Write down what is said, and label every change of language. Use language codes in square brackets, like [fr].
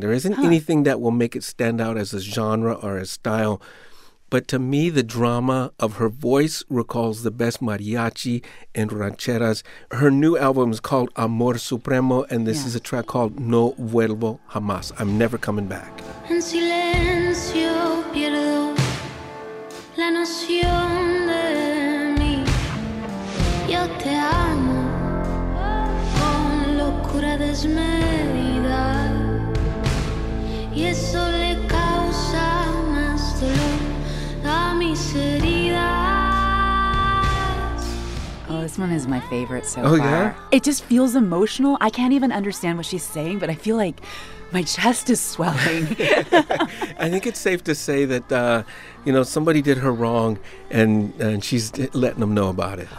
[en] There isn't anything that will make it stand out as a genre or a style. But to me, the drama of her voice recalls the best mariachi and rancheras. Her new album is called Amor Supremo, and this is a track called No Vuelvo Jamás. I'm never coming back. [es] En silencio pierdo la noción de mí. Yo te amo con locura desmedida y eso le causa más dolor a mis heridas. [en] Oh, this one is my favorite so far. Oh, yeah? It just feels emotional. I can't even understand what she's saying, but I feel like my chest is swelling. I think it's safe to say that, you know, somebody did her wrong and she's letting them know about it.